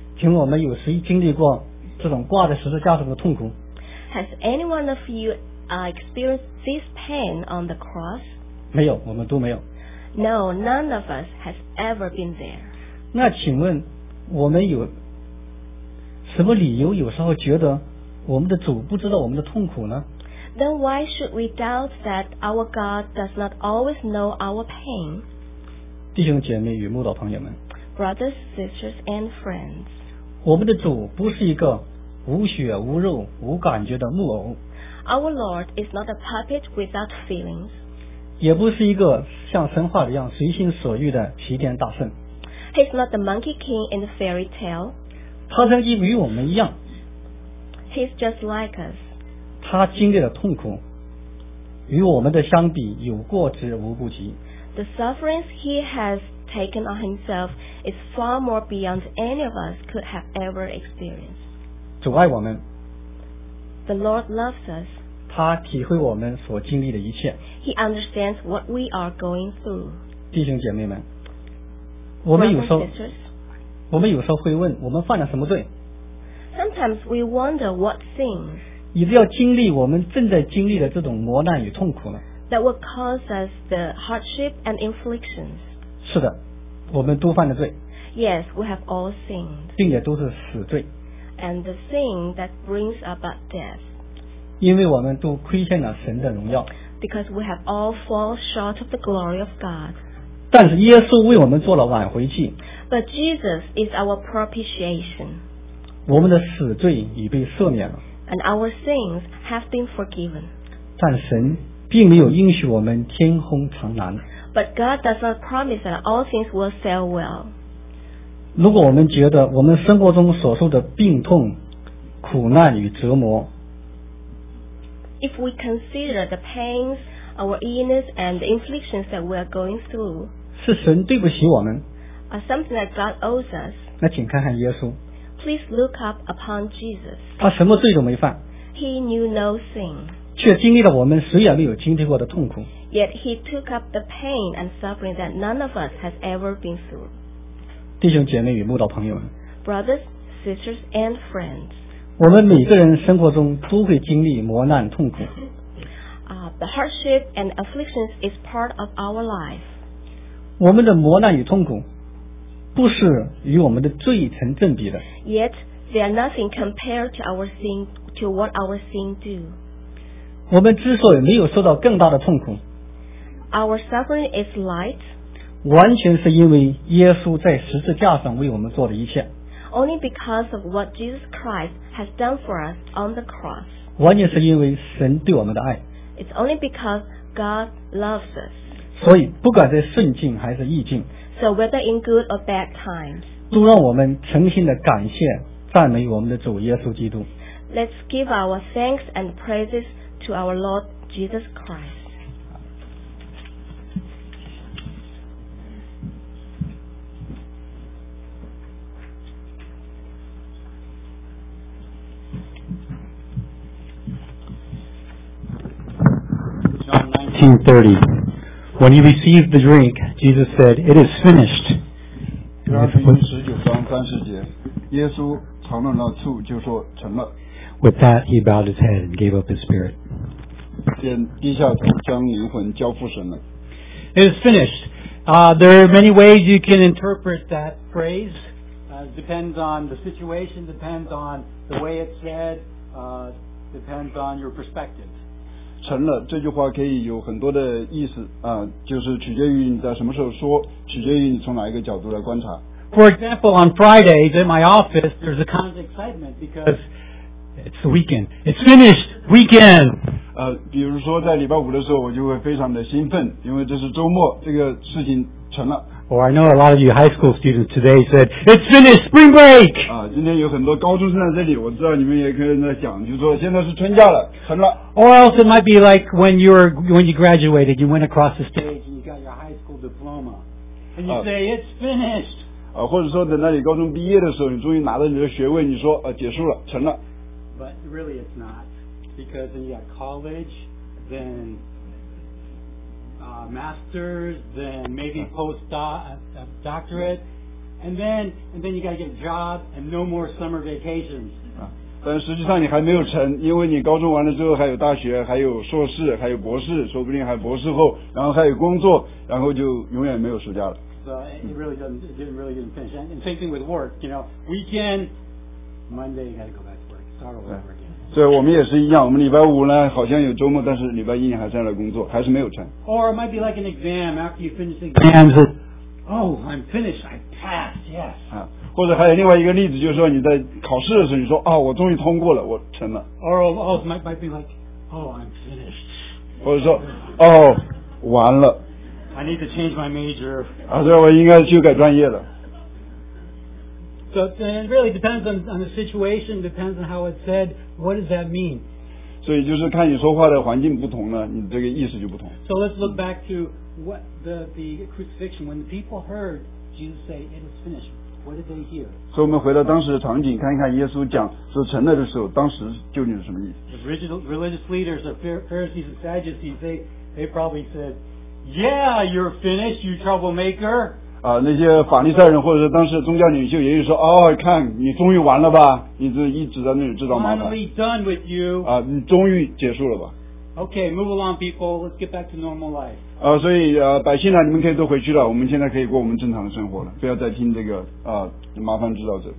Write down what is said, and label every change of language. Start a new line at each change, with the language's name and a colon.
Chinese: 请我们有谁经历过这种挂在十字架上的痛苦？
English: Has any one of you experienced this pain on the cross?
Chinese: 没有，我们都没有。
English: No, none of us has ever been there.
Chinese: 那请问我们有什么理由有时候觉得我们的主不知道我们的痛苦呢？
English: Then why should we doubt that our God does not always know our pain?
Chinese: 弟兄姐妹与慕道朋友们，
English: Brothers, sisters, and friends,
Chinese: 我们的主不是一个无血无肉无感觉的木偶。
English: Our Lord is not a puppet without feelings.
Chinese: 也不是一个像神话一样随心所欲的齐天大圣。
English: He's not the monkey king in the fairy tale.
Chinese: 他曾经与我们一样。
English: He's just like us.
Chinese: 他经历的痛苦与我们的相比有过之无不及。
English: The sufferings he has taken on himself is far more beyond any of us could have ever experienced.
Chinese: 主爱我们，
English: The Lord loves us.
Chinese: 他体会我们所经历的一切，
English: He understands what we are going through.
Chinese: 弟兄姐妹们，我们有时候会问我们犯了什么罪。
English: Sometimes we wonder what sins.
Chinese: 以致要经历我们正在经历的这种磨难与痛苦呢？
English: That will cause us the hardship and inflictions.
Chinese: 是的，我们都犯了罪。
English: Yes, we have all sinned.
Chinese: 并且都是死罪。
English: And the sin that brings about death.
Chinese: 因为我们都亏欠了神的荣耀。
English: Because we have all fall short of the glory of God.
Chinese: 但是耶稣为我们做了挽回祭。
English: But Jesus is our propitiation.
Chinese: 我们的死罪已被赦免了。
English: And our sins have been forgiven.
Chinese: 但神并没有应许我们天空长蓝。
English: But God does not promise that all things will sail well.
Chinese: 如果我们觉得我们生活中所受的病痛、苦难与折磨，
English: If we consider the pains, our illness, and the inflictions that we are going through,
Chinese: 是神对不起我们，
English: Are something that God owes us.
Chinese: 那请看看耶稣。
English: Please look up upon Jesus.
Chinese: 他什么罪都没犯。
English: He knew no sin.
Chinese: 却经历了我们谁也没有经历过的痛苦。
English: Yet he took up the pain and suffering that none of us has ever been through.
Chinese: 弟兄姐妹与慕道朋友们，
English: Brothers, sisters, and friends,
Chinese: 我们每个人生活中都会经历磨难痛苦。
English: The hardship and afflictions is part of our life.
Chinese: 我们的磨难与痛苦不是与我们的罪成正比的。
English: Yet they are nothing compared to our sin, to what our sin do.
Chinese: 我们之所以没有受到更大的痛苦，
English: our suffering is light.
Chinese: 完全是因为耶稣在十字架上为我们做的一切。
English: Only because of what Jesus Christ has done for us on the cross.
Chinese: 完全是因为神对我们的爱。
English: It's only because God loves us.
Chinese: 所以不管在顺境还是逆境，
English: So whether in good or bad times,
Chinese: 都让我们诚心的感谢赞美我们的主耶稣基督。
English: Let's give our thanks and praises to our Lord Jesus Christ. 30. When he received the drink, Jesus said, "It is finished." 19:30.
Chinese: 耶稣尝了那醋，就说成了。
English: With that, he bowed his head and gave up his spirit.
Chinese: 便低下头，将灵魂交付神了。
English: It is finished. There are many ways you can interpret that phrase. Depends on the situation. Depends on the way it's said. Depends on your perspective.
Chinese: 成了这句话可以有很多的意思、就是取决于你在什么时候说，取决于你从哪一个角度来观察。
English: For example, on Fridays at my office, there's a kind of excitement because it's the weekend. It's finished weekend.
Chinese: 比如说在礼拜五的时候，我就会非常的兴奋，因为这是周末，这个事情成了。
English: Or I know a lot of you high school students today said it's finished spring break.
Chinese: 今天有很多高中生在这里，我知道你们也可以在想，就说现在是春假了，成了。
English: Or else it might be like when you graduated, you went across the stage and you got your high school diploma. And you say, it's finished.
Chinese: 或者说等到你高中毕业的时候，你终于拿到你的学位，你说、结束了，成了。
English: But really it's not. Because when you got college, then master's, then maybe postdoctorate, and then you got to get a job and no more summer vacations.
Chinese: 但实际上你还没有成，因为你高中完了之后还有大学，还有硕士，还有博士，说不定还有博士后，然后还有工作，然后就永远没有暑假了。
English: It really didn't finish. And same thing with work. You know, weekend, Monday, you got to go back to work. Start over again.
Chinese: 所以我们也是一样，我们礼拜五呢好像有周末，但是礼拜一你还在那工作，还是没有成。
English: Or it might be like an exam after you finish the exam. Oh, I'm finished. I passed. Yes.
Chinese: 或者还有另外一个例子，就是说你在考试的时候，你说啊、哦，我终于通过了，我成了。
English: Or else might be like, oh, I'm finished.
Chinese: 或者说，哦，完了。
English: I need to change my major.
Chinese: 啊，对，我应该去改专业了。
English: So it really depends on the situation, depends on how it's said. What does that mean?
Chinese: 所以就是看你说话的环境不同呢，你这个意思就不同。
English: So let's look back to what the crucifixion. When the people heard Jesus say, "It is finished."
Chinese: 所以我们回到当时的场景，看一看耶稣讲说成了的时候，当时究竟是什么意思。
English: The religious leaders, the Pharisees and Sadducees, they probably said, "Yeah, you're finished, you troublemaker."
Chinese: 那些法利赛人或者是当时宗教领袖，也就是说，哦，看你终于完了吧，你这一直在那里制造麻烦。
English: Finally done with you.
Chinese: 你终于结束了吧。
English: Okay, move along, people. Let's get back to normal life.
Chinese: 所以百姓呢，你们可以都回去了。我们现在可以过我们正常的生活了，不要再听这个麻烦制造者。